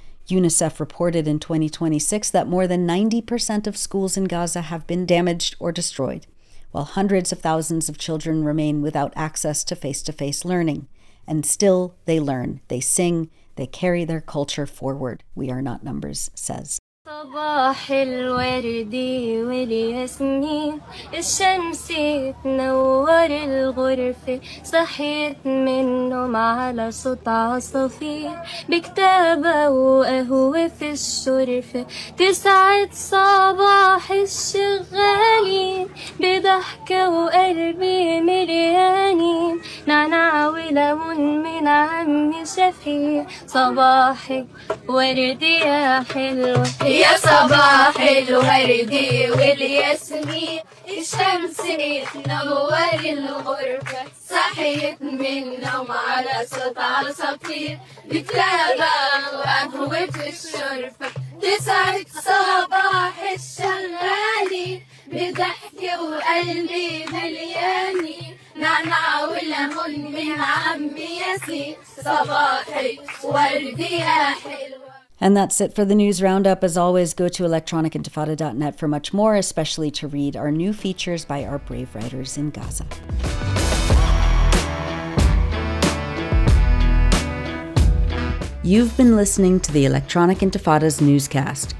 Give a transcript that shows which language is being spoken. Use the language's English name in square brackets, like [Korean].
[English] UNICEF reported in 2026 that more than 90% of schools in Gaza have been damaged or destroyed, while hundreds of thousands of children remain without access to face-to-face learning. And still, they learn, they sing, they carry their culture forward, We Are Not Numbers says. [Arabic] صباح الورد والياسمين الشمس تنور الغرفة صحيت من النوم على صوت عصافير بكتابة وقهوة في الشرفة تسعة صباح الشغالين بضحكة وقلبي مليانين نعناع ولون من عمي شفيع صباحك ورد يا حلو يا صباح الورد والياسمين الشمس تنور الغربة صحيت من النوم على صوت عصافير بكتابة وقهوة في الشرفة تسعة صباح الشغالي بضحكة وقلبي ملياني نعناع وليمون من عمي ياسين صباحي وردي يا حلو. [English] And that's it for the news roundup. As always, go to electronicintifada.net for much more, especially to read our new features by our brave writers in Gaza. You've been listening to the Electronic Intifada's newscast.